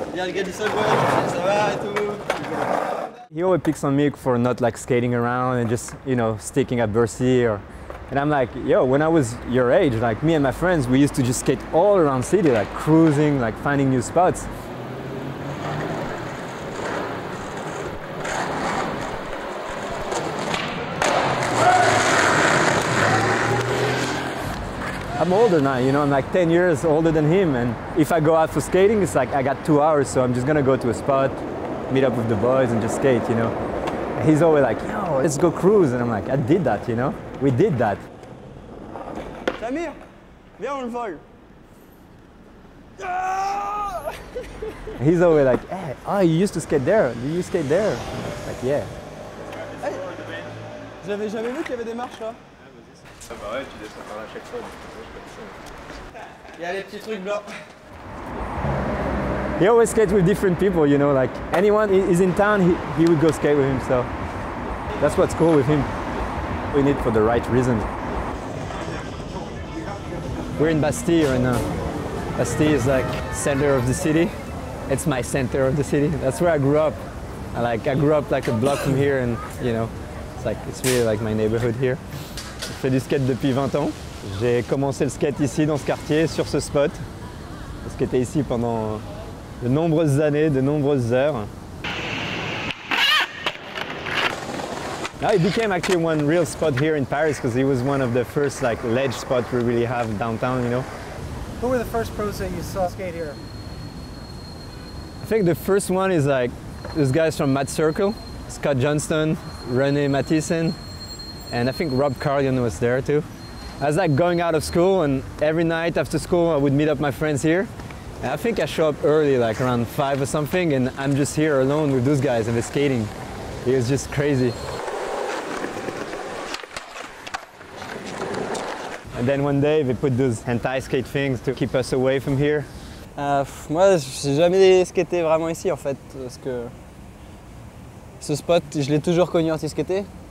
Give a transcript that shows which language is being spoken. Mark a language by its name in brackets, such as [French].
[French] Il y a le gars du Subway, ça va et tout. [English] He always picks on me for not like skating around and just, you know, sticking at Bercy or. And I'm like, yo, when I was your age, like me and my friends, we used to just skate all around the city, like cruising, like finding new spots. I'm older now, you know, I'm like 10 years older than him. And if I go out for skating, it's like I got 2 hours, so I'm just gonna go to a spot, meet up with the boys and just skate, you know. He's always like, yo, let's go cruise. And I'm like, I did that, you know, we did that. [French] Samir, viens, on le vole. Ah! [English] He's always like, hey, oh, you used to skate there. Do you skate there? Like, yeah. Hey, [French] j'avais jamais vu qu'il y avait des marches, là. Ah, bah ouais, tu descends par là chaque fois. Il y a les petits trucs blancs. [English] He always skates with different people, you know, like anyone is in town, he would go skate with him, so that's what's cool with him. We need for the right reason. We're in Bastille right now. Bastille is like center of the city. It's my center of the city. That's where I grew up. I grew up like a block from here, and you know, it's like it's really like my neighborhood here. [French] I fais du skate depuis 20 ans. J'ai commencé le skate ici dans ce quartier, sur ce spot. J'ai skaté ici pendant de nombreuses années, de nombreuses heures. [English] Now it became actually one real spot here in Paris because it was one of the first like ledge spots we really have downtown, you know. Who were the first pros that you saw skate here? I think the first one is like those guys from Mad Circle, Scott Johnston, René Mathisen, and I think Rob Cargan was there too. I was like going out of school, and every night after school I would meet up my friends here. And I think I show up early, like around 5 or something, and I'm just here alone with those guys and they're skating. It was just crazy. And then one day they put those anti-skate things to keep us away from here. [French] Moi, j'ai jamais skaté vraiment ici en fait, parce que ce spot, je l'ai toujours connu anti-skaté.